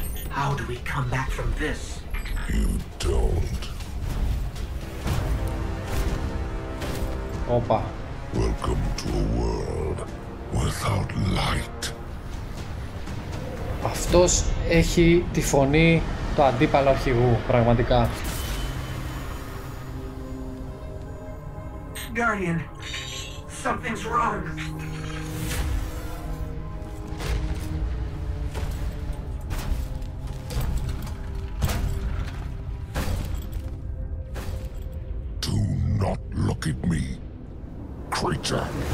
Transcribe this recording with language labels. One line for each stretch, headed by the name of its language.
English: How do we come back from this? You don't. Opa. Welcome to a world without light.
Greek: Αυτός έχει τη φωνή του αντίπαλου αρχηγού, πραγματικά.
English: Guardian, something's wrong. Do not look at me, creature.